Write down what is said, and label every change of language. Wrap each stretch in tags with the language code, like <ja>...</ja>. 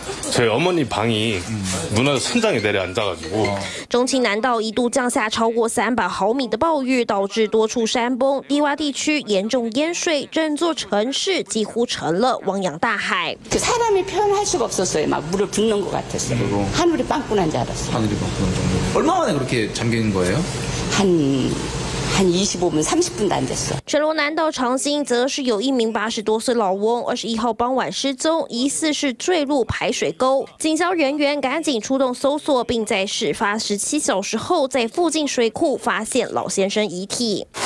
<ko>저희 어머니 방이 무너져 천장에 내려앉아가지고</ko> <zh>中青南道一度降下超过300毫米的暴雨，导致多处山崩，低洼地区严重淹水，整座城市几乎成了汪洋大海。</zh> <ko>그 사람이 표현할 수가 없었어요. 막 물을 붓는 것 같았어요. 그리고 하늘이 빵꾸난 줄 알았어요. 하늘이 빵꾸난 정도. 얼마 만에 그렇게 잠긴 거예요? 한 25분, 30분도 안 됐어.</ko> <zh>全罗南道长兴则是有一名80多岁老翁，21号傍晚失踪，疑似是坠入排水沟。警消人员赶紧出动搜索，并在事发17小时后在附近水库发现老先生遗体。</zh>